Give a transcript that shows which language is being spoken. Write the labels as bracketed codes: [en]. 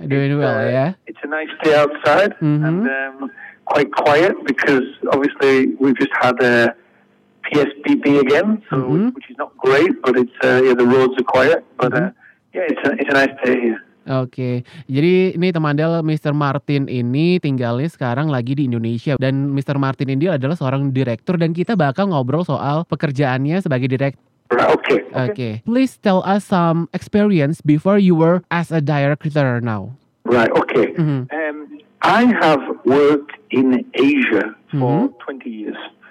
[en] Doing well, yeah. It's a nice day outside and quite quiet because obviously we've just had a PSBB again, so which is not great, but it's the roads are quiet, but it's a nice day here. [id] Okay, jadi ini teman Del, Mr. Martin ini tinggalnya sekarang lagi di Indonesia. Dan Mr. Martin ini adalah seorang direktur, dan kita bakal ngobrol soal pekerjaannya sebagai direktur. [en] Okay. Please tell us some experience before you were as a director now. Right, okay. I have worked in Asia for 20 years.